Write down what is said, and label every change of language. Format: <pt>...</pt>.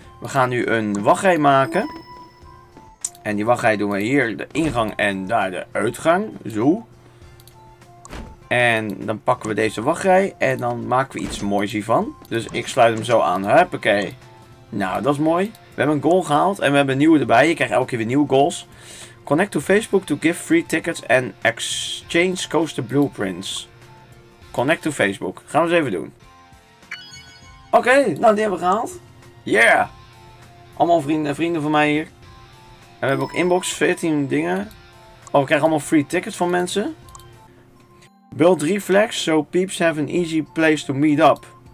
<nl>We gaan nu een wachtrij maken. En die wachtrij doen we hier de ingang en daar de uitgang. Zo. En dan pakken we deze wachtrij en dan maken we iets moois hiervan. Dus ik sluit hem zo aan. Huppakee. Nou, dat is mooi. We hebben een goal gehaald en we hebben een nieuwe erbij. Je krijgt elke keer weer nieuwe goals.</nl> <en>Connect to Facebook to give free tickets and exchange coaster blueprints. Connect to Facebook.</en> <nl>Gaan we eens even doen. Oké, nou die hebben we gehaald. Yeah! Allemaal vrienden van mij hier. En we hebben ook inbox, 14 dingen. Oh, we krijgen allemaal</nl> <en>free tickets</en> <nl>van mensen.</nl> <en>Build 3 flags so peeps have an easy place to meet up.</en>